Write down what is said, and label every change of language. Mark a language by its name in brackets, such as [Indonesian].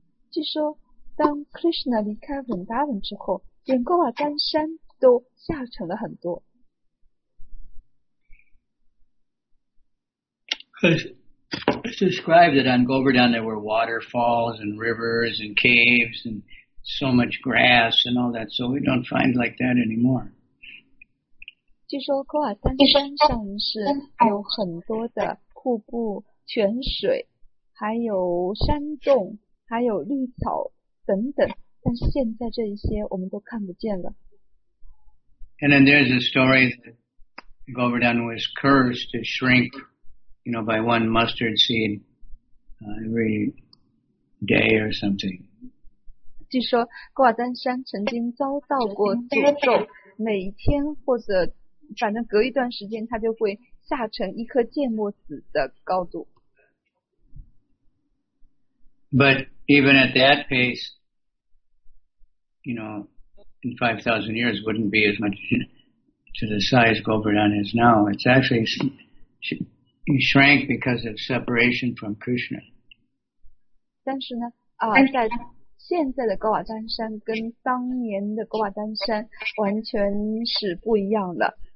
[Chinese] 据说当 Krishna 离开 Vrindavan 之后，连 Govardhan 山都下沉了很多。 [English] It's described that on Govardhan there were waterfalls and rivers and caves and so much grass and all that, so we don't find like that anymore. [Chinese] 据说科瓦丹山上是有很多的瀑布、泉水，还有山洞，还有绿草等等，但是现在这一些我们都看不见了。 [English] And then there's a story that Govardhan was cursed to shrink, you know, by one mustard seed every day or something. [Chinese] 据说瓜丹山曾经遭到过诅咒，每天或者反正隔一段时间它就会下沉一颗芥末籽的高度。 [English] But even at that pace, you know, in 5,000 years wouldn't be as much to the size Govardhan is now. It's actually He shrank because of separation from Krishna. [Chinese] 但是呢，在现在的格瓦丹山跟当年的格瓦丹山完全是不一样的。